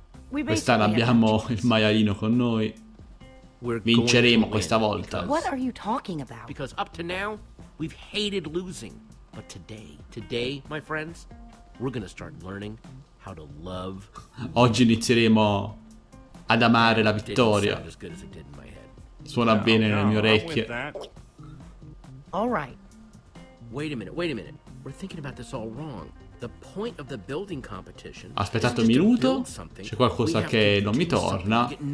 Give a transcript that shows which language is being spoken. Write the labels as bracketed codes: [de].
[it] Quest'anno abbiamo il maialino con noi. Vinceremo questa volta. [en] Because up to now we've hated losing, but today, my friends, we're gonna start learning how to love. [it] Oggi inizieremo ad amare la vittoria. Suona bene nelle mie orecchie. [en] All right. Wait a minute. We're thinking about this all wrong. The point of the building competition. [it] Aspettate un minuto. C'è qualcosa che non mi torna.